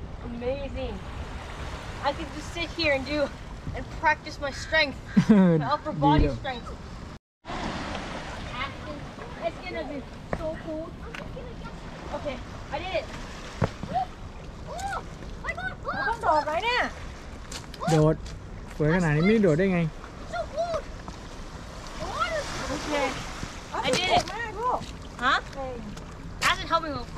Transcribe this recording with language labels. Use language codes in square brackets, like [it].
[en] Amazing I can just sit here and do and practice my strength my upper body strength It's gonna be so cool Oh okay Okay I did it Oh my god [th] ต้องโดดไหมเนี่ย โดดสวยขนาดนี้ไม่โดดได้ไง [en] So cool Okay I did it Huh That's not helping